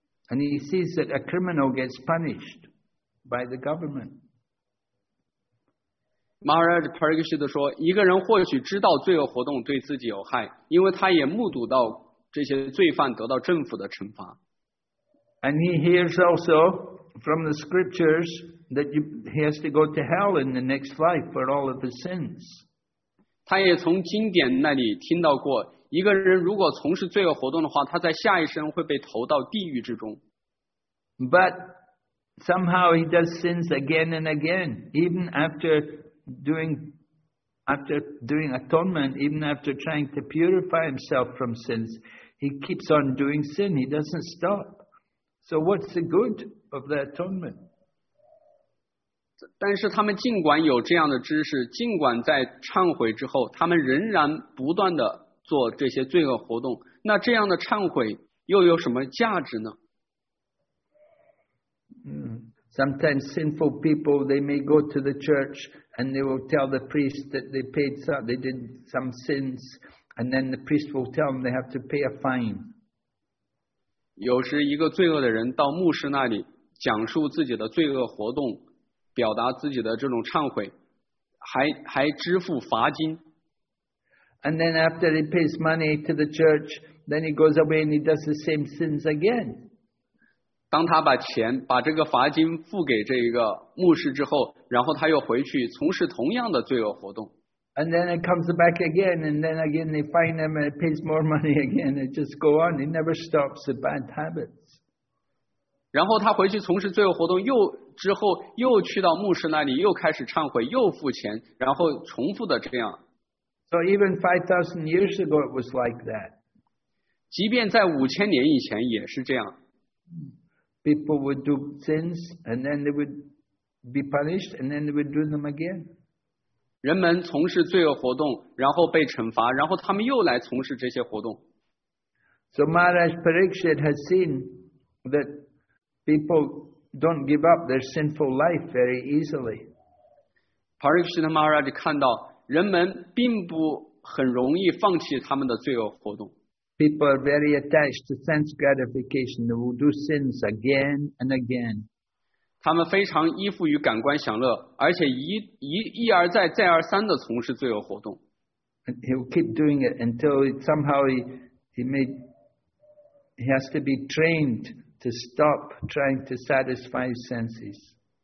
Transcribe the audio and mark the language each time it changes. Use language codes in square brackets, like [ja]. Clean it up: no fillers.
[en] And he sees that a criminal gets punished by the government. [zh] Maharaj Parikshit 说，一个人或许知道罪恶活动对自己有害，因为他也目睹到这些罪犯得到政府的惩罚。 [en] And he hears also from the scriptures that he has to go to hell in the next life for all of his sins. [zh] 他也从经典那里听到过，一个人如果从事罪恶活动的话，他在下一生会被投到地狱之中。 [en] But somehow he does sins again and again, even after doing atonement, even after trying to purify himself from sins, he keeps on doing sin. He doesn't stop. So what's the good of the atonement? [zh] 但是他们尽管有这样的知识，尽管在忏悔之后，他们仍然不断的做这些罪恶活动。那这样的忏悔又有什么价值呢？ [en] Sometimes sinful people, they may go to the church and they will tell the priest that they paid some, they did some sins, and then the priest will tell them they have to pay a fine. [zh] 有时一个罪恶的人到牧师那里讲述自己的罪恶活动，表达自己的这种忏悔，还支付罚金。 [en] And then after he pays money to the church, then he goes away and he does the same sins again. [zh] 当他把钱把这个罚金付给这个牧师之后，然后他又回去从事同样的罪恶活动。 [en] And then it comes back again, and then again they find him and he pays more money again. It just go on. He never stops the bad habits. [zh] 然后他回去从事罪恶活动又之后又去到牧师那里又开始忏悔又付钱，然后重复的这样。 [en] So even 5,000 years ago it was like that. [zh] 即便在五千年以前也是这样。 [en] People would do sins and then they would be punished and then they would do them again. [zh] 人们从事罪恶活动然后被惩罚，然后他们又来从事这些活动。 [en] So Maharaj Parikshit has seen that people don't give up their sinful life very easily. [zh] Parikshit Maharaj 看到人们并不很容易放弃他们的罪恶活动。 [en] People are very attached to sense gratification. They will do sins again and again. [zh] 他们非常依附于感官享乐，而且一而再、再而三地从事罪恶活动。 [en] He will keep doing it until somehow he has to be trained to stop trying to satisfy his senses.